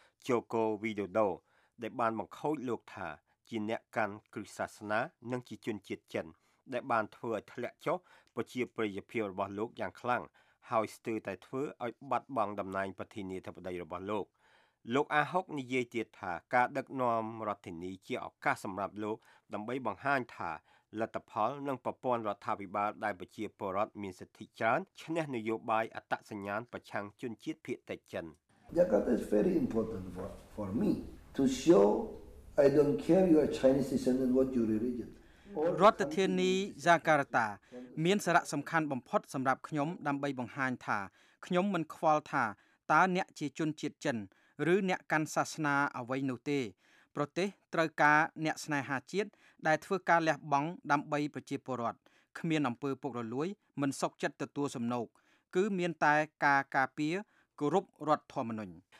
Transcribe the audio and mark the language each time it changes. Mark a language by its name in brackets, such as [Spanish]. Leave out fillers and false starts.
[Khmer] ជូកូវីដូដូដែលបានបង្ខូចលោកថាជាអ្នកកាន់គ្រឹះសាសនានិងជាជនជាតិចិនដែលបានធ្វើឲ្យធ្លាក់ចុះប្រជាប្រិយភាពរបស់លោកយ៉ាងខ្លាំងហើយស្ទើរតែធ្វើឲ្យបាត់បង់តំណែងប្រធានាធិបតីរបស់លោក លោកអាហុកនិយាយទៀតថាការដឹកនាំរដ្ឋាភិបាលជាឱកាសសម្រាប់លោកដើម្បីបង្ហាញថាលទ្ធផលនិងប្រព័ន្ធរដ្ឋាភិបាលដែលប្រជាពលរដ្ឋមានសិទ្ធិច្រើនឈ្នះនយោបាយអត្តសញ្ញាណប្រឆាំងជនជាតិភាគតិចចិន [English] Jakarta is very important for me to show I don't care your Chinese descent and what your religion [Khmer] រដ្ឋធានី Jakarta មានសារៈសំខាន់បំផុតសម្រាប់ខ្ញុំដើម្បីបង្ហាញថាខ្ញុំមិនខ្វល់ថាតើអ្នកជាជនជាតិចិនឬអ្នកកាន់សាសនាអ្វីនោះទេប្រទេសត្រូវការអ្នកស្នេហាជាតិដែលធ្វើការលះបង់ដើម្បីប្រជាពលរដ្ឋគ្មានអំពើពុករលួយមិនសោកចិត្តទទួលសំណូកគឺមានតែការការពារគោរពរដ្ឋធម្មនុញ្ញ